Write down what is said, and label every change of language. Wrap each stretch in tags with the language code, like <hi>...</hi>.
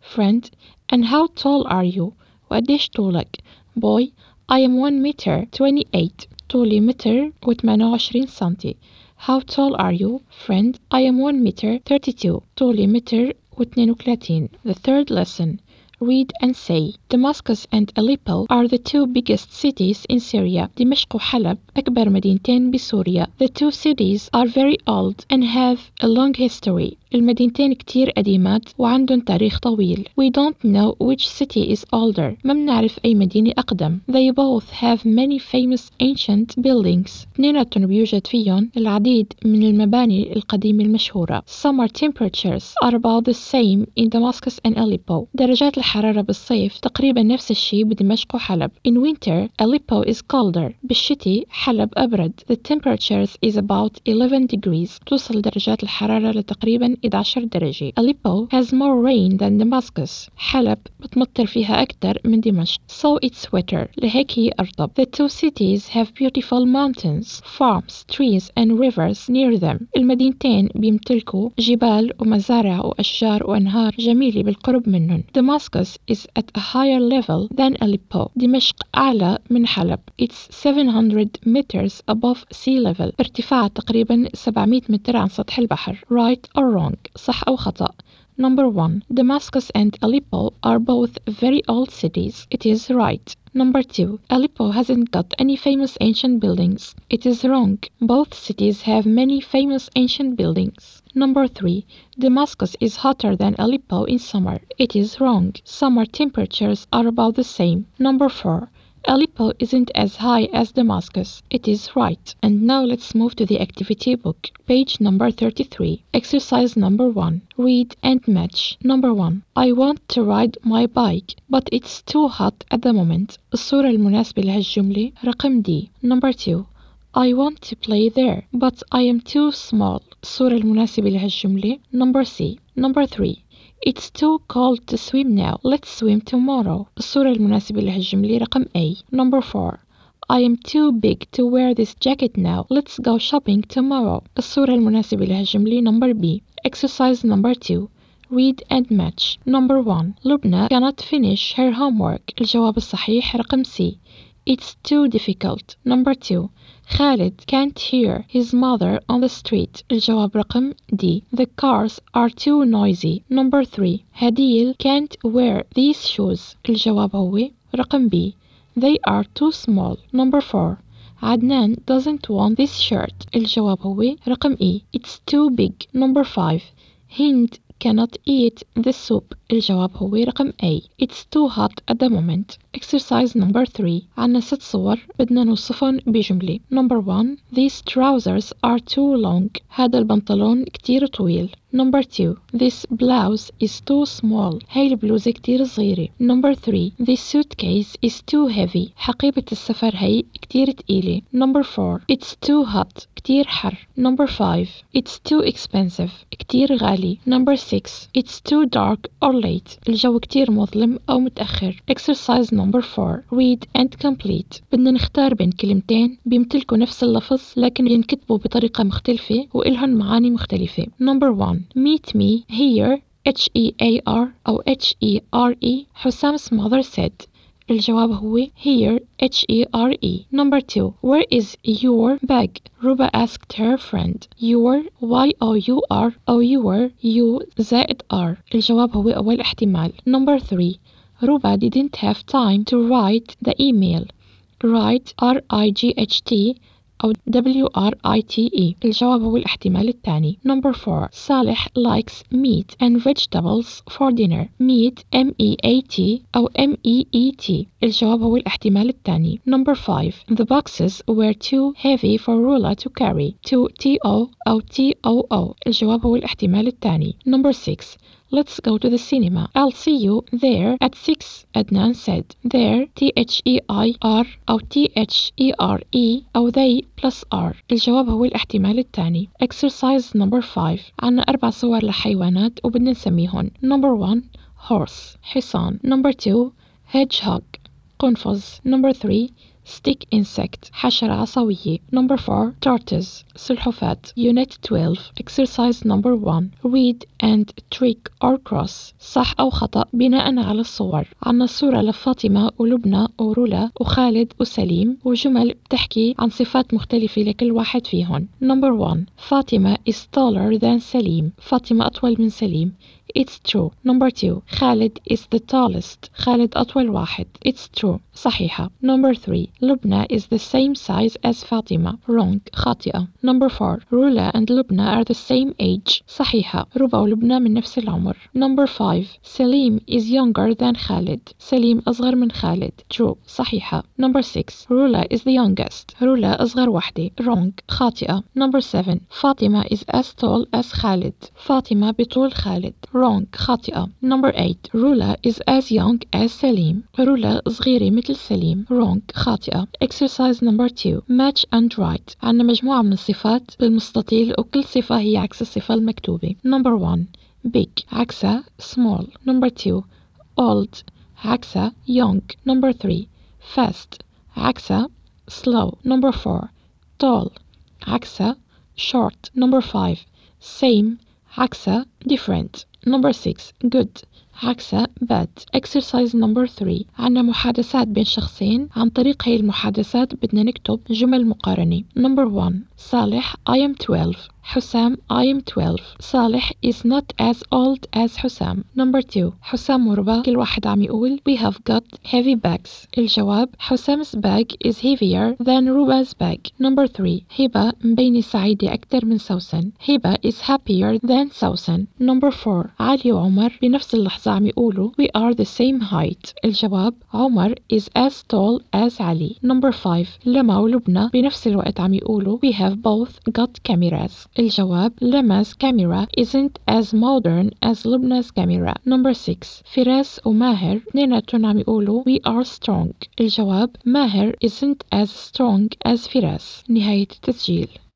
<en>Friend, and how tall are you?</en> <ar>وقديش طولك؟</ar> <en>Boy, I am 1 meter 28.</en> <ar>طولي متر و 28 سنتي.</ar> <en>How tall are you? Friend, I am 1 meter 32.</en> <ar>طولي متر و 32.</ar> <en>The third lesson. Read and say. Damascus and Aleppo are the 2 biggest cities in Syria.</en> <ar>دمشق وحلب أكبر مدينتين بسوريا.</ar> <en>The 2 cities are very old and have a long history.</en> <ar>المدينتين كتير قديمات وعندهم تاريخ طويل.</ar> <en>We don't know which city is older.</en> <ar>ما منعرف أي مدينة أقدم.</ar> <en>They both have many famous ancient buildings.</en> <ar>اثنيناتهم بيوجد فيهم العديد من المباني القديمة المشهورة.</ar> <en>Summer temperatures are about the same in Damascus and Aleppo.</en> <ar>درجات الحرارة بالصيف تقريبا نفس الشيء بدمشق وحلب.</ar> <en>In winter, Aleppo is colder.</en> <ar>بالشتي حلب أبرد.</ar> <en>The temperatures is about 11 degrees.</en> <ar>توصل درجات الحرارة لتقريبا 11 درجة.</ar> <en>Aleppo has more rain than Damascus.</en> <ar>حلب بتمطر فيها أكثر من دمشق.</ar> <en>So it's wetter.</en> <ar>لهيك هي أرطب.</ar> <en>The two cities have beautiful mountains, farms, trees and rivers near them.</en> <ar>المدينتين بيمتلكوا جبال ومزارع وأشجار وأنهار جميلة بالقرب منهم.</ar> <en>Damascus is at a higher level than Aleppo.</en> <ar>دمشق أعلى من حلب.</ar> <en>It's 700 meters above sea level.</en> <ar>ارتفاع تقريبا 700 متر عن سطح البحر.</ar> <en>Right or wrong.</en> <ar>صح أو خطأ.</ar> <en>Number 1. Damascus and Aleppo are both very old cities. It is right. Number 2. Aleppo hasn't got any famous ancient buildings. It is wrong. Both cities have many famous ancient buildings. Number 3. Damascus is hotter than Aleppo in summer. It is wrong. Summer temperatures are about the same. Number 4. Aleppo isn't as high as Damascus. It is right. And now let's move to the activity book. Page number 33. Exercise number 1. Read and match. Number 1. I want to ride my bike, but it's too hot at the moment.</en> <ar>الصورة المناسبة لهالجملة رقم D.</ar> <en>Number 2. I want to play there, but I am too small.</en> <ar>الصورة المناسبة لهالجملة</ar> <en>Number C. Number 3. It's too cold to swim now. Let's swim tomorrow.</en> <ar>الصورة المناسبة لهالجملة رقم A.</ar> <en>Number 4. I am too big to wear this jacket now. Let's go shopping tomorrow.</en> <ar>الصورة المناسبة لهالجملة Number B.</ar> <en>Exercise number 2. Read and match. Number 1. Lubna cannot finish her homework.</en> <ar>الجواب الصحيح رقم C.</ar> <en>It's too difficult. Number 2. Khalid can't hear his mother on the street.</en> <ar>الجواب رقم D.</ar> <en>The cars are too noisy. Number 3. Hadil can't wear these shoes.</en> <ar>الجواب هو رقم B.</ar> <en>They are too small. Number 4. Adnan doesn't want this shirt.</en> <ar>الجواب هو رقم E.</ar> <en>It's too big. Number 5. Hind cannot eat the soup.</en> <ar>الجواب هو رقم A.</ar> <en>It's too hot at the moment. Exercise number 3.</en> <ar>عنا 6 صور بدنا نوصفهم بجملة.</ar> <en>Number 1. These trousers are too long.</en> <ar>هذا البنطلون كتير طويل.</ar> <en>Number 2. This blouse is too small.</en> <ar>هاي البلوزة كتير صغيرة.</ar> <en>Number 3. This suitcase is too heavy.</en> <ar>حقيبة السفر هاي كتير تقيلة.</ar> <en>Number 4. It's too hot.</en> <ar>كتير حر.</ar> <en>Number 5. It's too expensive.</en> <ar>كتير غالي.</ar> <en>Number 6. It's too dark or late.</en> <ar>الجو كتير مظلم أو متأخر.</ar> <en>Exercise number 4. Read and complete.</en> <ar>بدنا نختار بين كلمتين بيمتلكوا نفس اللفظ لكن ينكتبوا بطريقة مختلفة وإلهن معاني مختلفة.</ar> <en>Number 1. Meet me here, H-E-A-R or H-E-R-E, Hussam's mother said.</en> <ar>الجواب هو here, H-E-R-E.</ar> <en>Number 2. Where is your bag? Ruba asked her friend. Your, Y-O-U-R or your, U-Z-R.</en> <ar>الجواب هو أول احتمال.</ar> <en>Number 3. Ruba didn't have time to write the email. Write, R-I-G-H-T. أو W-R-I-T-E.</en> <ar>الجواب هو الاحتمال الثاني.</ar> <en>Number 4. صالح likes meat and vegetables for dinner. Meat, M-E-A-T أو M-E-E-T.</en> <ar>الجواب هو الاحتمال الثاني.</ar> <en>Number 5. The boxes were too heavy for Rula to carry. To T-O أو T-O-O.</en> <ar>الجواب هو الاحتمال الثاني.</ar> <en>Number 6. Let's go to the cinema. I'll see you there at 6, Adnan said. There, T-H-E-I-R أو T-H-E-R-E أو they plus R.</en> <ar>الجواب هو الاحتمال الثاني.</ar> <en>Exercise number 5.</en> <ar>عنا 4 صور لحيوانات وبدنا نسميهم.</ar> <en>Number 1. Horse. حصان. Number 2. Hedgehog. قنفذ. Number 3. Stick insect.</en> <ar>حشرة عصوية.</ar> <en>Number 4. Tortoise. سلحفاة. Unit 12. Exercise number 1. Read and trick or cross.</en> <ar>صح أو خطأ بناء على الصور. عنا صورة لفاطمة ولبنى ورولا وخالد وسليم وجمل بتحكي عن صفات مختلفة لكل واحد فيهم.</ar> <en>Number 1. فاطمة is taller than سليم.</en> <ar>فاطمة أطول من سليم.</ar> <en>It's true. Number 2. خالد is the tallest.</en> <ar>خالد أطول واحد.</ar> <en>It's true.</en> <ar>صحيحة. Number 3.</ar> <en>لبنى is the same size as فاطمة. Wrong.</en> <ar>خاطئة.</ar> <en>Number 4. رولا and لبنى are the same age.</en> <ar>صحيحة. ربا ولبنى من نفس العمر.</ar> <en>Number 5. سليم is younger than خالد.</en> <ar>سليم أصغر من خالد.</ar> <en>True.</en> <ar>صحيحة. Number 6.</ar> <en>رولا is the youngest.</en> <ar>رولا أصغر وحدة.</ar> <en>Wrong.</en> <ar>خاطئة. Number 7.</ar> <en>فاطمة is as tall as خالد.</en> <ar>فاطمة بطول خالد.</ar> <en>Wrong.</en> <ar>خاطئة. Number 8.</ar> <en>Rula is as young as Salim. Rula</en> <ar>صغيرة مثل</ar> <en>Salim. Wrong.</en> <ar>خاطئة.</ar> <en>Exercise number 2. Match and write.</en> <ar>عنا مجموعة من الصفات بالمستطيل وكل صفة هي عكس الصفة المكتوبة.</ar> <en>Number 1. Big. عكس small. Number 2. Old. عكس young. Number 3. Fast. عكس slow. Number 4. Tall. عكس short. Number 5. Same.</en> <ar>عكس different.</ar> <en>Number 6. Good. عكس bad. Exercise number 3.</en> <ar>عنا محادثات بين شخصين. عن طريق هاي المحادثات بدنا نكتب جمل مقارنة.</ar> <en>Number 1. صالح. I am 12. حسام. I am 12. صالح is not as old as حسام. Number 2.</en> <ar>حسام وربا كل واحد عم يقول</ar> <en>We have got heavy bags.</en> <ar>الجواب</ar> <en>حسام's bag is heavier than ربا's bag. Number 3.</en> <ar>هبة مبينة سعيدة أكثر من سوسن.</ar> <en>هبة is happier than سوسن. Number 4.</en> <ar>علي وعمر بنفس اللحظة عم يقولوا</ar> <en>We are the same height.</en> <ar>الجواب</ar> <en>عمر is as tall as علي. Number 5.</en> <ar>لما ولبنى بنفس الوقت عم يقولوا</ar> <en>We have both got cameras.</en> <ar>الجواب</ar> <en>لما's camera isn't as modern as لبنى's camera. Number 6.</en> <ar>فراس وماهر نيناتون عم يقولوا</ar> <en>We are strong.</en> <ar>الجواب ماهر</ar> <en>isn't as strong as</en> <ar>فراس. نهاية التسجيل.</ar>